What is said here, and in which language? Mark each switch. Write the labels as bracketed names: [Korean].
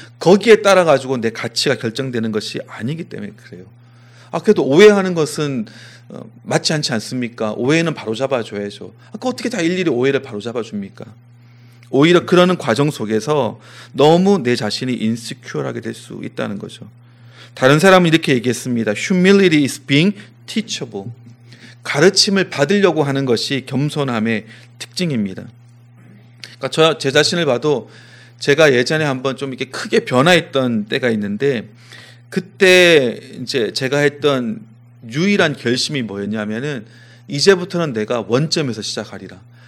[Korean] 거기에 따라가지고 내 가치가 결정되는 것이 아니기 때문에 그래요. 아, 그래도 오해하는 것은 맞지 않지 않습니까? 오해는 바로잡아줘야죠. 아, 그 어떻게 다 일일이 오해를 바로잡아줍니까? 오히려 그러는 과정 속에서 너무 내 자신이 인시큐어하게 될 수 있다는 거죠. 다른 사람은 이렇게 얘기했습니다. [English] Humility is being teachable. [Korean] 가르침을 받으려고 하는 것이 겸손함의 특징입니다. 그러니까 제 자신을 봐도, 제가 예전에 한번 좀 이렇게 크게 변화했던 때가 있는데, 그때 이제 제가 했던 유일한 결심이 뭐였냐면은, 이제부터는 내가 원점에서 시작하리라.